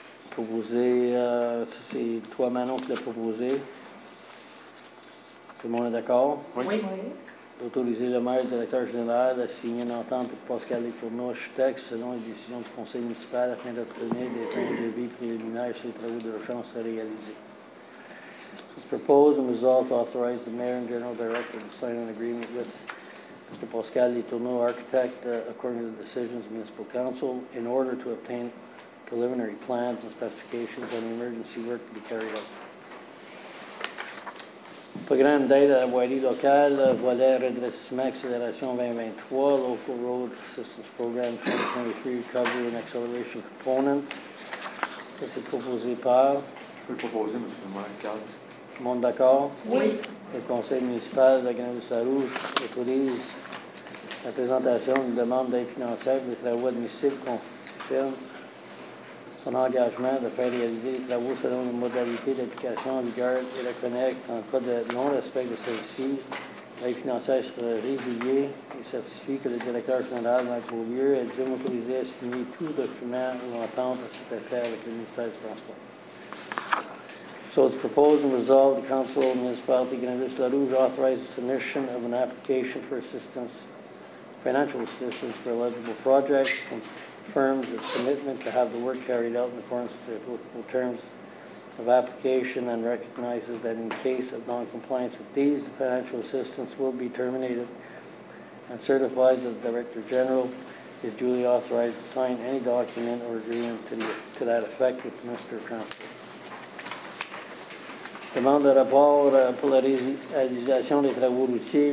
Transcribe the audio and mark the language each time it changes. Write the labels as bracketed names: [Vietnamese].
[French] Proposé, ça c'est toi Manon qui l'a proposé. Tout le monde est d'accord? Oui. D'autoriser le maire et le directeur général à signer une entente pour Pascal et Tourneau, architecte, selon les décisions du conseil municipal afin d'obtenir des plans de vie préliminaires sur les travaux de rechange à réaliser. [English] It's proposed and resolved to authorize the mayor and general director to sign an agreement with Mr. Pascal Les Tourneaux, architect, according to the decisions of municipal council, in order to obtain preliminary plans and specifications on the emergency work to be carried out. [French] Programme d'aide à la voirie locale, volet redressement, accélération 2023, [English] local road assistance program 2023, recovery and acceleration component. This is proposed par. [French] Je peux proposer, M. le maire, Carl. Tout le monde d'accord? Oui. Le conseil municipal de la Grande-Rousse-Rouge autorise la présentation d'une demande d'aide financière des travaux admissibles confirme son engagement de faire réaliser les travaux selon les modalités d'application en vigueur et la connecte. En cas de non-respect de celle-ci, l'aide financière sera résiliée et certifie que le directeur général, Marc Beaulieu, est déjà autorisé à signer tout document ou entente à cet effet avec le ministère du Transport. [English] So it's proposed and resolved the Council of Municipality Grande-Rousse-la-Rouge authorizes submission of an application for assistance, financial assistance for eligible projects, confirms its commitment to have the work carried out in accordance with the applicable terms of application, and recognizes that in case of non-compliance with these, the financial assistance will be terminated, and certifies that the Director General is duly authorized to sign any document or agreement to that effect with the Minister of Transport. [French] Demande de rapport pour la réalisation des travaux routiers.